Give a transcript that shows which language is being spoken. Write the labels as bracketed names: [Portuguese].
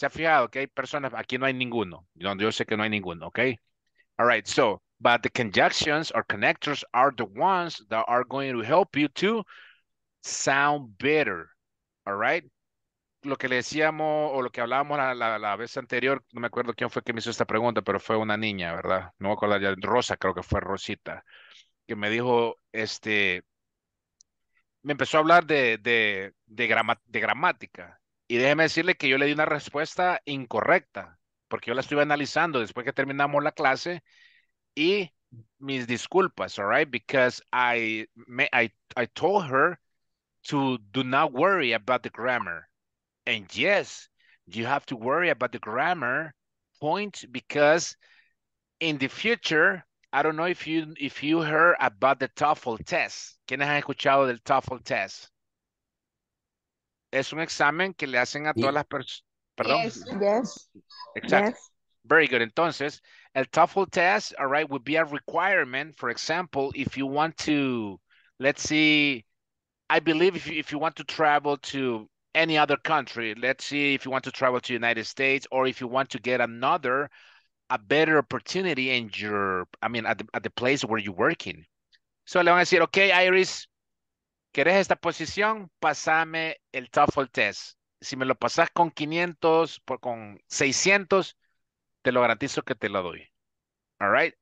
[Spanish] Se ha fijado que hay personas, aquí no hay ninguno. Yo sé que no hay ninguno, okay? [English] All right, so, but the conjunctions or connectors are the ones that are going to help you to sound better, all right? [Spanish] Lo que le decíamos o lo que hablábamos la vez anterior, no me acuerdo quién fue que me hizo esta pregunta, pero fue una niña, ¿verdad? No me acuerdo ya, Rosa, creo que fue Rosita, que me dijo, me empezó a hablar de gramática. Y déjeme decirle que yo le di una respuesta incorrecta, porque yo la estuve analizando después que terminamos la clase, y mis disculpas, all right? [English] Because I told her to do not worry about the grammar. And yes, you have to worry about the grammar point, because in the future, I don't know if you heard about the TOEFL test. [Spanish] ¿Quiénes han escuchado del TOEFL test? Es un examen que le hacen a todas las personas. Perdón. [English] Yes, yes. Exactly. Yes. Very good. [Spanish] Entonces, el [English] TOEFL test, all right, would be a requirement. For example, if you want to, let's see, I believe if you want to travel to any other country, let's see if you want to travel to the United States, or if you want to get a better opportunity in your, at the place where you're working. [Spanish] So le van a decir, okay, Iris, ¿querés esta posición? Pásame el TOEFL test. Si me lo pasas con 500, con 600, te lo garantizo que te lo doy. All right?